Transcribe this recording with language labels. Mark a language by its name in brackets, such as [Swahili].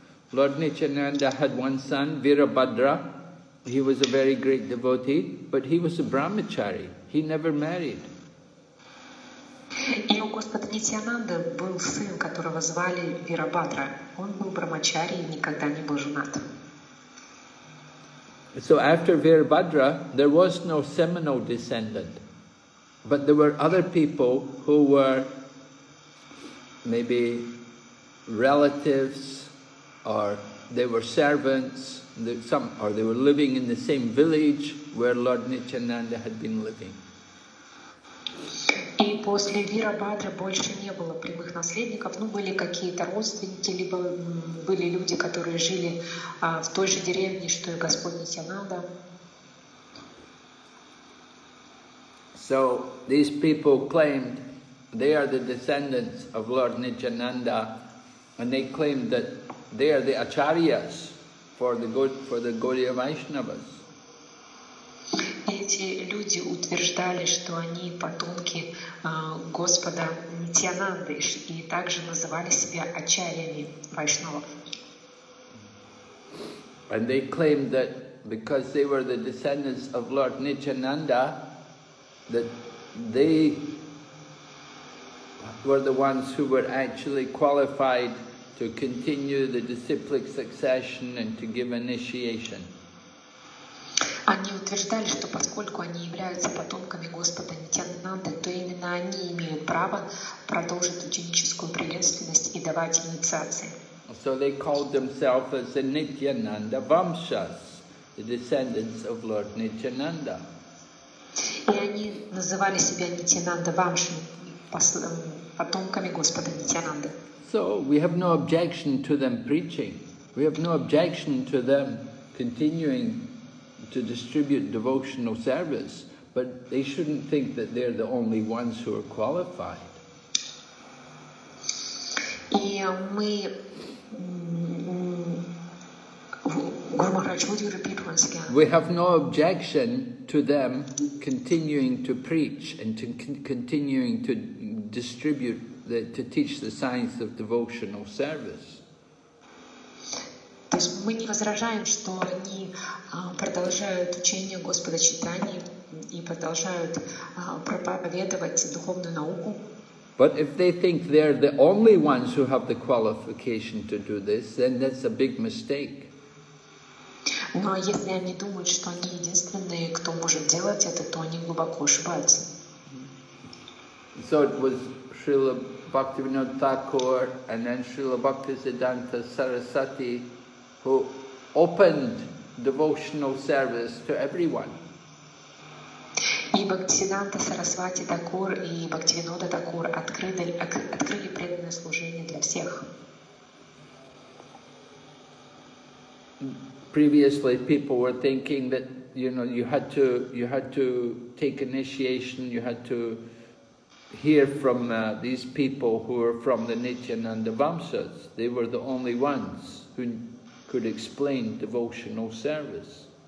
[English] Lord Nityananda had one son, Virabhadra. He was a very great devotee, but he was a brahmachari. He never married. [Russian] И у Господа Нитьянанды был сын, которого звали Вирабхадра. Он был брахмачари и никогда не был женат. [English] So after Virabhadra, there was no seminal descendant. But there were other people who were maybe relatives, or they were servants, or they were living in the same village where Lord Nityananda had been living. [Russian] после Вирабхадры больше не было прямых наследников. Ну, были какие-то родственники, либо были люди, которые жили в той же деревне, что и Господь Нитьянанда. [English] So these people claimed they are the descendants of Lord Nityananda, and they claimed that they are the acharyas for the Gaudiya Vaishnavas. [Russian] Эти люди утверждали, что они потомки Господа Нитьянанды и также называли себя ачарьями вайшнавов. [English] And they claimed that because they were the descendants of Lord Nityananda, that they were the ones who were actually qualified to continue the disciplic succession and to give initiation. [Russian] Они утверждали, что поскольку они являются потомками Господа Нитьянанды, то именно они имеют право продолжить ученическую преемственность и давать инициации. [English] So they called themselves as the Nityananda Vamshas, the descendants of Lord Nityananda. [Russian] И они называли себя Нитьянанда Вамшами, потомками Господа Нитьянанды. [English] So we have no objection to them preaching. We have no objection to them continuing to distribute devotional service, but they shouldn't think that they're the only ones who are qualified. [Russian] И мы, Гуру Махарадж, [English] would you repeat once again? We have no objection to them continuing to preach and to continuing to distribute to teach the science of devotional service. [Russian] То есть мы не возражаем, что они продолжают учение Господа Читания и продолжают проповедовать духовную науку. [English] But if they think they're the only ones who have the qualification to do this, then that's a big mistake. [Russian] Но если они думают, что они единственные, кто может делать это, то они глубоко ошибаются. [English] So it was Srila Bhaktivinoda Thakur and then Srila Bhaktisiddhanta Sarasvati who opened devotional service to everyone. [Russian] И Бхактисиддханта Сарасвати Такур и Бхактивинода Такур открыли преданное служение для всех. [English] Previously people were thinking that, you know, you had to take initiation, you had to hear from these people who were from the Nityananda Vamsas. They were the only ones who could explain devotional service.